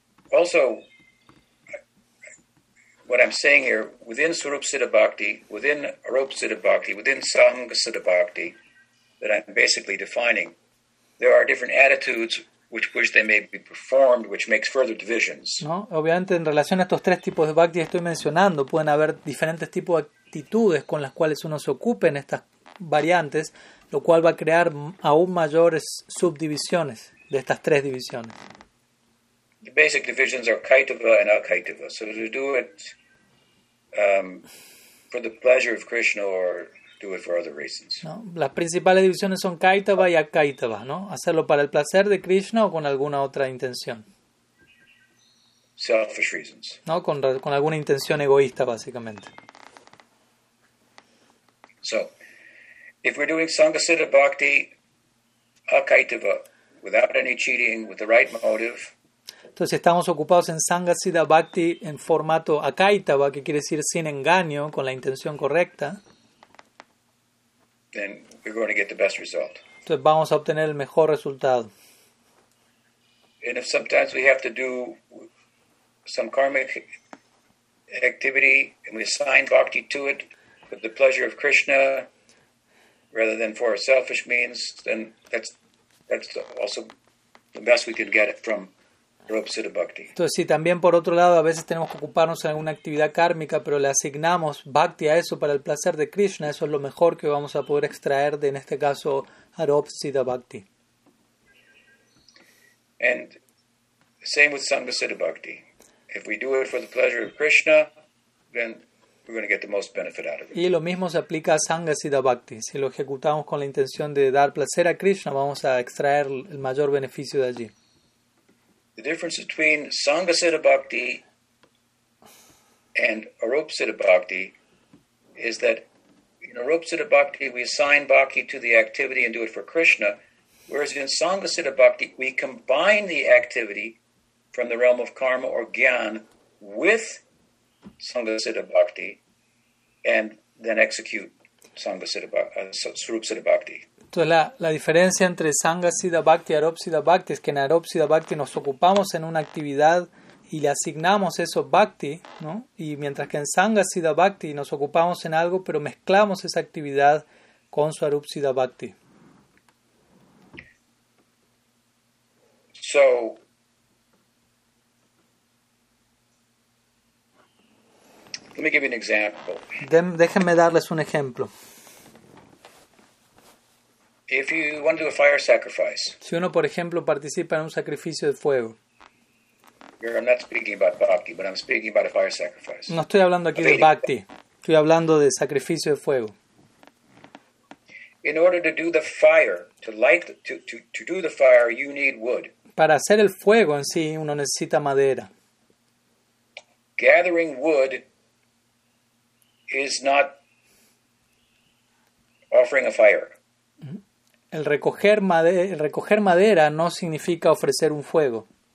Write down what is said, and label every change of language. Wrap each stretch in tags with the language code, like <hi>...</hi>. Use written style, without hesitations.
<en>Also, what I'm saying here, within Swarup Siddha Bhakti, within Arup Siddha Bhakti, within Sangha Siddha Bhakti, that I'm basically defining, there are different attitudes which they may be performed, which makes further divisions.</en> <es>No, obviamente en relación a estos tres tipos de bhakti que estoy mencionando, pueden haber diferentes tipos de actitudes con las cuales uno se ocupe en estas variantes, lo cual va a crear aún mayores subdivisiones de estas tres divisiones.</es> <en>the basic divisions are kaitava and akaitava. So to do it for the pleasure of Krishna or do it for other reasons.</en> <es>No, las principales divisiones son kaitava y akaitava, ¿no? Hacerlo para el placer de Krishna o con alguna otra intención.</es> <en>Selfish reasons.</en> <es>No, con alguna intención egoísta, básicamente.</es> <en>So, if we're doing Sangasiddha Bhakti, akaitava, without any cheating, with the right motive.</en> <es>Entonces estamos ocupados en Sangasiddha Bhakti en formato akaitava, que quiere decir sin engaño, con la intención correcta.</es> <en>Then we're going to get the best result.</en> <es>Entonces vamos a obtener el mejor resultado.</es> <en>And if sometimes we have to do some karmic activity and we assign bhakti to it for the pleasure of Krishna rather than for a selfish means, then that's also the best we can get from Rupa Siddha Bhakti.</en> <es>Entonces, sí, también por otro lado, a veces tenemos que ocuparnos en alguna actividad kármica, pero le asignamos bhakti a eso para el placer de Krishna. Eso es lo mejor que vamos a poder extraer de, en este caso, Rupa Siddha Bhakti.</es> <en>And same with Sangha Siddha Bhakti. If we do it for the pleasure of Krishna, then we're going to get the most benefit out of it.</en> <es>Y lo mismo se aplica a Sangha Siddha Bhakti. Si lo ejecutamos con la intención de dar placer a Krishna, vamos a extraer el mayor beneficio de allí.</es> <en>The difference between Sangha Siddha Bhakti and Arupa Siddha Bhakti is that in Arupa Siddha Bhakti, we assign bhakti to the activity and do it for Krishna, whereas in Sangha Siddha Bhakti, we combine the activity from the realm of karma or gyan with Sangha Siddha Bhakti and then execute Sangha Siddha Bhakti, Swarup Siddha Bhakti.</en> <es>Entonces la diferencia entre Sangha Siddha Bhakti y Arup Siddha Bhakti es que en Arup Siddha Bhakti nos ocupamos en una actividad y le asignamos eso bhakti, ¿no? Y mientras que en Sangha Siddha Bhakti nos ocupamos en algo pero mezclamos esa actividad con Swarup Siddha Bhakti.</es> <en>So, let me give you an example.</en> <es>Déjenme darles un ejemplo.</es> <en>If you want to do a fire sacrifice.</en> <es>Si uno, por ejemplo, participa en un sacrificio de fuego.</es> <en>I'm not speaking about bhakti, but I'm speaking about a fire sacrifice.</en> <es>No estoy hablando aquí de bhakti. Estoy hablando de sacrificio de fuego.</es> <en>In order to do the fire, to do the fire, you need wood.</en> <es>Para hacer el fuego en sí, uno necesita madera.</es> <en>Gathering wood is not offering a fire.</en> <es>El recoger madera no significa ofrecer un fuego.</es>